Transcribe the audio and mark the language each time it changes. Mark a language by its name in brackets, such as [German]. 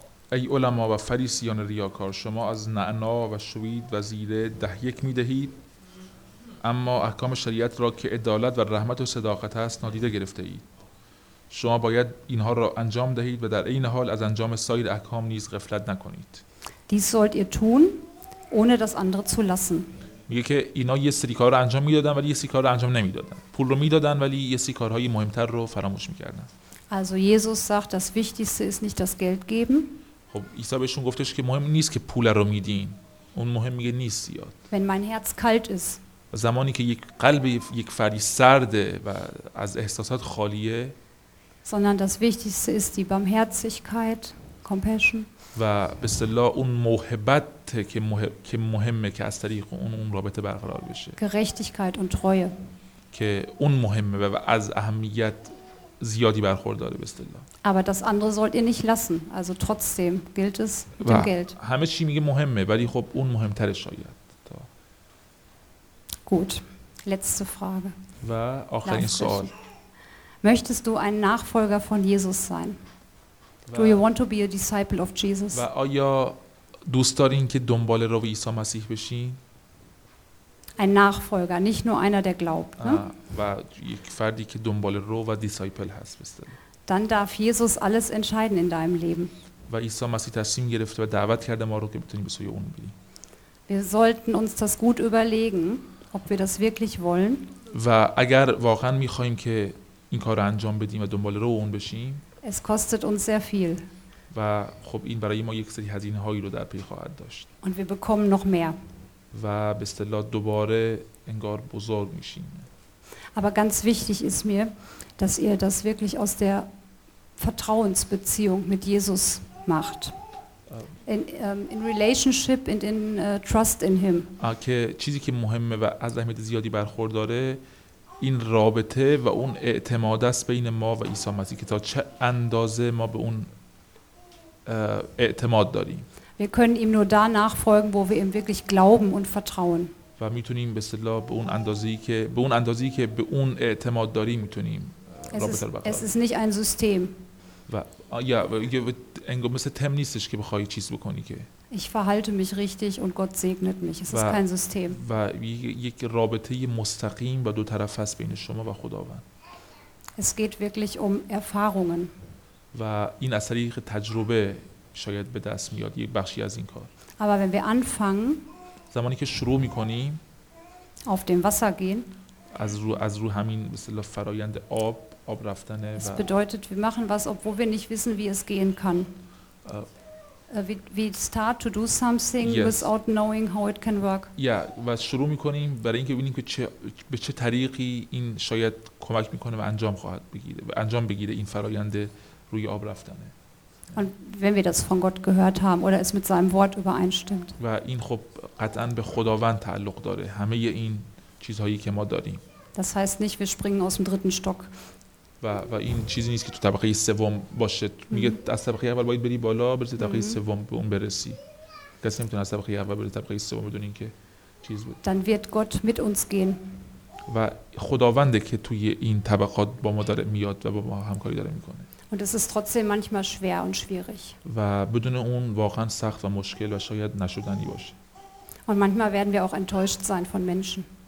[Persian] ای علما و فریسیان ریاکار، شما از نعنا و شوید و زیره ده یک می دهید، اما احکام شریعت را که عدالت و رحمت و صداقت است نادیده گرفته اید. شما باید اینها را انجام دهید و در این حال از انجام سایر احکام نیز غفلت نکنید. [German] Dies sollt ihr tun, ohne das andere zu lassen. [Persian] میگه که اینا یه سری کار را انجام می دادن ولی یه سری کار را انجام نمی دادن. پول را می دادن ولی یه سری کارهای مهمتر را فراموش می کردن. [German] Also Jesus sagt, das Wichtigste ist nicht das Geld geben. [Persian] خب عیسی بهشون گفتش که مهم نیست که پول رو میدین، اون مهم میگه نیست زیاد. [German] Wenn mein Herz kalt ist. [Persian] زمانی که یک قلب یک فردی سرده و از احساسات خالیه. [German] Sondern das Wichtigste ist die Barmherzigkeit, Compassion. [Persian] و به اصطلاح اون محبت که مهمه که از طریق اون رابطه برقرار بشه. [German] Gerechtigkeit und Treue. [Persian] که اون مهمه و از اهمیت زیادی برخورداره به اصطلاح. [German] Aber das andere sollt ihr nicht lassen. Also trotzdem gilt es mit dem Geld. [Persian] همه چی میگه مهمه ولی خب اون مهمتره شاید. تا. [German] Gut. Letzte Frage. [Persian] و آخرین سوال. [German] Möchtest du ein Nachfolger von Jesus sein? [English] Do you want to be a disciple of Jesus? [Persian] و آیا دوست دارین که دنبال رو عیسی مسیح بشین؟ [German] Ein Nachfolger, nicht nur einer, der glaubt. [Persian] و یک فردی که دنبال رو و دیسایپل هست به اصطلاح. [German] Dann darf Jesus alles entscheiden in deinem Leben. [Persian] و عیسی مسیح تصمیم گرفته و دعوت کرده ما رو که بتونیم به سوی اون بریم. [German] Wir sollten uns das gut überlegen, ob wir das wirklich wollen. [Persian] و اگر واقعا می‌خوایم که این کار رو انجام بدیم و دنبال رو اون بشیم. [German] Es kostet uns sehr viel. [Persian] و خب این برای ما یک سری هزینه‌هایی رو در پی خواهد داشت. [German] Und wir bekommen noch mehr. [Persian] و به اصطلاح دوباره انگار بزرگ می‌شیم. [German] Aber ganz wichtig ist mir, dass ihr das wirklich aus der Vertrauensbeziehung mit Jesus macht. [English] In relationship and in trust in him. [Persian] که چیزی که مهمه و از اهمیت زیادی برخورداره این رابطه و اون اعتماد است بین ما و عیسی مسیح که تا چه اندازه ما به اون اعتماد داریم. [German] Wir können ihm nur da nachfolgen, wo wir ihm wirklich glauben und vertrauen. [Persian] و میتونیم به اصطلاح به اون اندازه‌ای که به اون اندازه‌ای که به اون اعتماد داریم میتونیم رابطه رو برقرار. [German] Es ist nicht ein System. [Persian] و یا انگار مثل تم نیستش که بخوای چیز بکنی که. [German] Ich verhalte mich richtig und Gott segnet mich. Es ist kein System. [Persian] و یک رابطه مستقیم با دو طرف است بین شما و خداوند. [German] Es geht wirklich um Erfahrungen. [Persian] و این از طریق تجربه شاید به دست میاد یک بخشی از این کار. [German] Aber wenn wir anfangen [Persian] زمانی که شروع می‌کنیم [German] auf dem Wasser gehen [Persian] از رو همین به اصطلاح فرایند آب رفتن و [German] es bedeutet wir machen was obwohl wir nicht wissen wie es gehen kann [English] we start to do something yes. without knowing how it can work [Persian] و شروع می‌کنیم برای اینکه ببینیم که به چه طریقی این شاید کمک می‌کنه و انجام بگیره این فرایند روی آب رفتن. [German] Und wenn wir das von Gott gehört haben oder es mit seinem Wort übereinstimmt. [Persian] و این خب قطعاً به خداوند تعلق داره. همه این چیزهایی که ما داریم. [German] Das heißt nicht, wir springen aus dem dritten Stock. [Persian] و این چیزی نیست که تو طبقه سوم باشه. میگه از طبقه اول باید بری بالا، برسی طبقه سوم به اون برسی. کسی نمیتونه از طبقه اول بره طبقه سوم بدون اینکه چیز بود. [German] Dann wird Gott mit uns gehen. [Persian] و خداونده که توی این طبقات با ما داره میاد و با ما همکاری داره میکنه. [German] Und es ist trotzdem manchmal schwer und schwierig. [Persian] و بدون اون واقعا سخت و مشکل و شاید نشدنی باشه. [German] Und manchmal werden wir auch enttäuscht sein von Menschen.